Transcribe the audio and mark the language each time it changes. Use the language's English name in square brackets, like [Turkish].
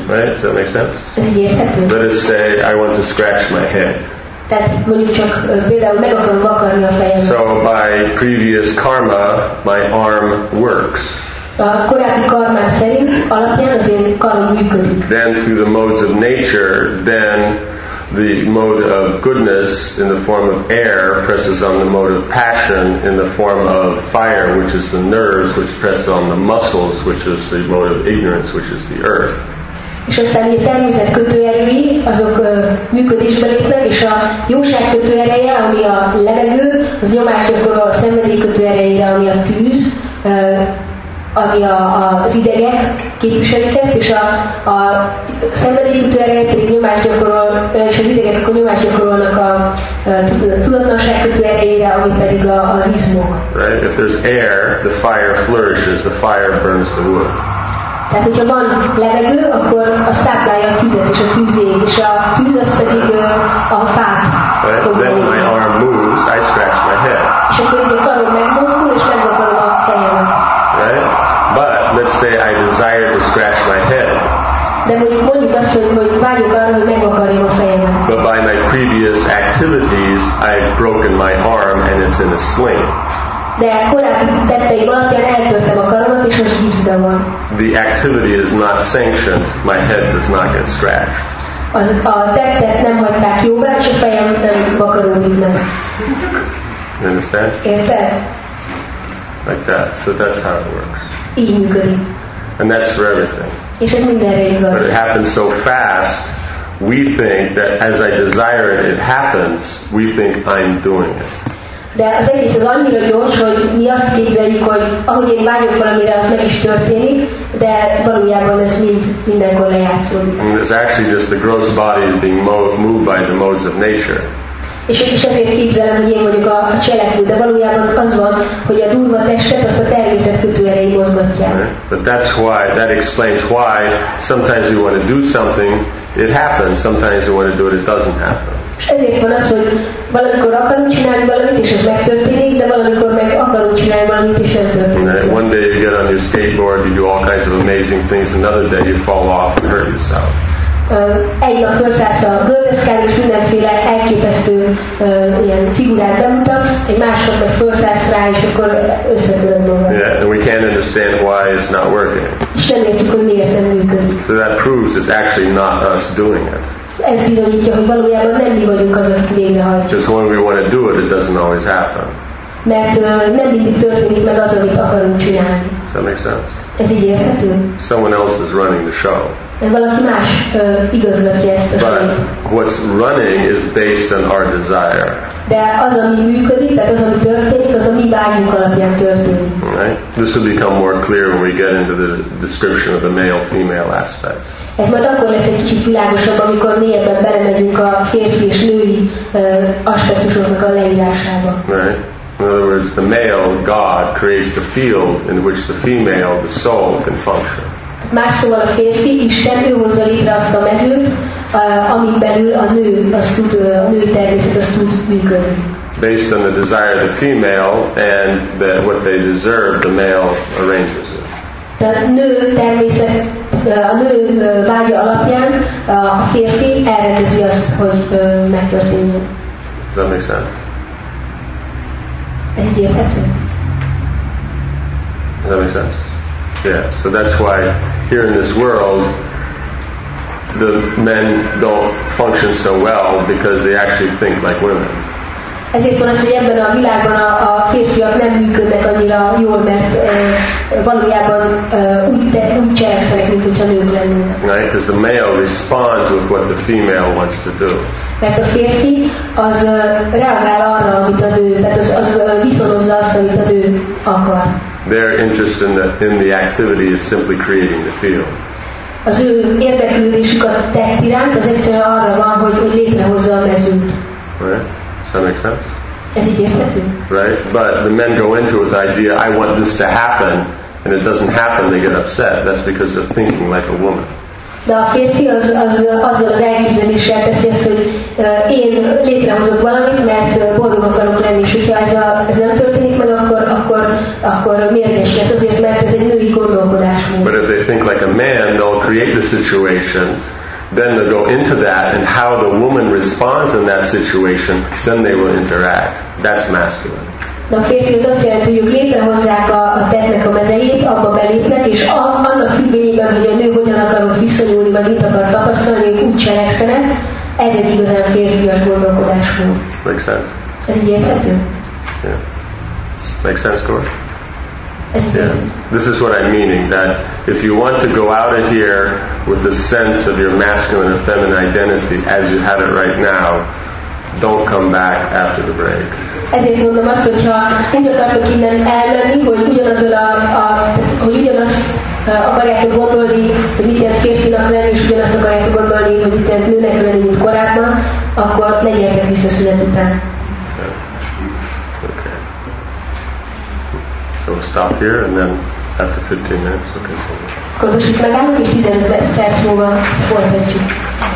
[English] Right? Does that make sense? [Hungarian] Ez így érthető. [English] Let us say, I want to scratch my head. [Hungarian] Tehát mondjuk csak például meg akarom vakarni a fejemet. [English] So by previous karma, my arm works. [Hungarian] A korábbi karma szerint alapján az én karom működik. [English] Then through the modes of nature, then the mode of goodness in the form of air presses on the mode of passion in the form of fire, which is the nerves, which press on the muscles, which is the mode of ignorance, which is the earth. [Hungarian] És aztán a természet kötőerői, azok működésbe lépnek, és a jóság kötőereje, ami a levegő, az nyomást gyakorol a szenvedély kötőereire, ami a tűz, ami az idegek képviselik ezt, és a szenvedélyítő ereje pedig nyomást gyakorol, és az idegek akkor nyomást gyakorolnak a tudatlanság kötő erejére, ami pedig az izmok. [English] Right? If there's air, the fire flourishes, the fire burns the wood. [Hungarian] Tehát, hogyha van levegő, akkor az táplálja a tüzet és a tűzét, és a tűz az pedig a fát. [English] Right? Then my arm moves, I scratch my head. [Hungarian] És akkor így a karom megmozdul, és megvakarom a fejemet. [English] Right? But let's say I desire to scratch my head. [Hungarian] De mondjuk azt, hogy vágyok arra, hogy megvakarjam a fejemet. [English] But by my previous activities, I've broken my arm and it's in a sling. [Hungarian] De korábbi tetteim alapján eltörtem a karomat, és most gipszben van. [English] The activity is not sanctioned. My head does not get scratched. [Hungarian] A tettet nem hagyták jóvá, és a fejem nem vakarodik meg. [English] You understand? [Hungarian] Érted? [English] Like that. So that's how it works. [Hungarian] Így működik. [English] And that's for everything. [Hungarian] És ez mindenre igaz. [English] But it happens so fast, we think that as I desire it, it happens, we think I'm doing it. [Hungarian] De az egész az annyira gyors, hogy mi azt képzeljük, hogy ahogy én vágyok valamire, az meg is történik, de valójában ez mindenkor lejátszódik. [English] And it's actually just the gross body is being moved by the modes of nature. [Hungarian] És ezért képzelem, hogy én vagyok a cselekvő, de valójában az van, hogy a durva testet azt a természet kötőerei mozgatják. [English] But that's why, that explains why sometimes you want to do something, it happens, sometimes you want to do it, it doesn't happen. [Hungarian] És ezért van az, hogy valamikor akarunk csinálni valamit, és ez megtörténik, de valamikor meg akarunk csinálni valamit, és nem történik. [English] you skateboard, you do all kinds of amazing things. Another day you fall off and hurt yourself. [Hungarian] Egy nap fölszállsz a gördeszkára, és mindenféle elképesztő ilyen figurát bemutatsz, egy másnap meg fölszállsz rá, és akkor összegörömbölve. [English] Yeah, and we can't understand why it's not working. [Hungarian] Semmétük, hogy miért nem működik. [English] So that proves it's actually not us doing it. [Hungarian] Ez bizonyítja, hogy valójában nem mi vagyunk az, aki végrehajtjuk. [English] Just when we want to do it, it doesn't always happen. [Hungarian] Mert nem mindig történik meg az, amit akarunk csinálni. [English] Does that make sense? [Hungarian] Ez így érthető? [English] Someone else is running the show. [Hungarian] De valaki más igazgatja ezt a sorét. [English] But what's running is based on our desire. [Hungarian] De az, ami működik, tehát az, ami történik, az a mi vágyunk alapján történik. [English] Right? This will become more clear when we get into the description of the male-female aspect. [Hungarian] Ez majd akkor lesz egy kicsit világosabb, amikor mélyebben belemegyünk a férfi és női aspektusoknak a leírásába. [English] Right? In other words, the male God creates the field in which the female, the soul, can function. [Hungarian] Más szóval a férfi Isten, ő hozza létre azt a mezőt, amin belül a nő, az tud, a nő természet az tud működni. [English] Based on the desire of the female and the, what they deserve, the male arranges it. [Hungarian] A nő természet, a nő vágya alapján a férfi elrendezi azt, hogy megtörténjen. [English] Does that make sense? Does that make sense? Yeah, so that's why here in this world the men don't function so well because they actually think like women. [Hungarian] Ezért van az, hogy ebben a világban a férfiak nem működnek annyira jól, mert valójában úgy cselekszenek, mint hogyha nők lennének. [English] Right, because the male responds with what the female wants to do. [Hungarian] Mert a férfi az reagál arra, amit a nő, tehát az viszonozza azt, amit a nő akar. [English] Their interest in the activity is simply creating the field. [Hungarian] Az ő érdeklődésük a tett iránt, az egyszerűen arra van, hogy létrehozza a mezőt. [English] Right. Does that make sense? [Hungarian] Ez így érthető. [English] Right? But the men go into it with the idea, I want this to happen, and it doesn't happen, they get upset. That's because they're thinking like a woman. [Hungarian] De a férfi azzal az elképzeléssel teszi ezt, hogy én létrehozok valamit, mert boldog akarok lenni, és hogyha ez nem történik meg, akkor mérges lesz azért, mert ez egy női gondolkodás. [English] But if they think like a man, they'll create the situation. Then they'll go into that and how the woman responds in that situation, then they will interact. That's masculine. [Hungarian] Na, férfi, az azt jelenti, hogy ők létrehozzák a tettnek a mezeit, abba belépnek, és annak függvényében, hogy a nő hogyan akarok viszonyulni, vagy mit akar tapasztalni, ők úgy cselekszenek, ez egy igazán férfias gondolkodás volt. [English] Make sense? [Hungarian] Ez így érthető? [English] Yeah. Make sense, Cor? Yeah. This is what I'm meaning, that if you want to go out of here with the sense of your masculine and feminine identity as you have it right now, don't come back after the break. [Hungarian] Ezért mondom azt, hogyha úgy akartok innen elmenni, hogy ugyanazzal hogy ugyanazt akarjátok gondolni, hogy mit jelent férfinak lenni, és ugyanazt akarjátok gondolni, hogy mit jelent nőnek lenni, mint korábban, akkor ne gyertek vissza szület után. [English] So we'll stop here and then after 15 minutes we'll continue. [Hungarian] Akkor most itt megállunk, és 15 perc múlva folytatjuk.